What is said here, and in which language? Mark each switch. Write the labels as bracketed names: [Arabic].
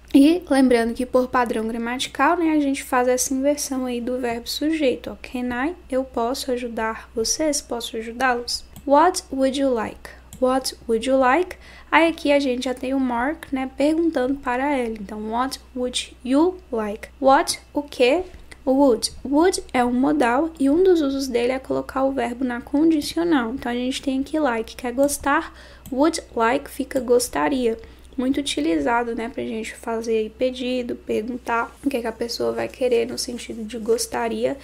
[Portuguese] E lembrando que por padrão gramatical, né, a gente faz essa inversão aí do verbo sujeito, ó. [English] Can I? [Portuguese] Eu posso ajudar vocês? Posso ajudá-los? [English] What would you like? What would you like? [Portuguese] Aí aqui a gente já tem o Mark, né, perguntando para ele. Então, [English] what would you like? What? [Portuguese] O quê? Would. Would é um modal e um dos usos dele é colocar o verbo na condicional. Então a gente tem aqui like, quer gostar. [English] Would like [Portuguese] fica gostaria. Muito utilizado, né, pra gente fazer aí pedido, perguntar o que é que a pessoa vai querer no sentido de gostaria.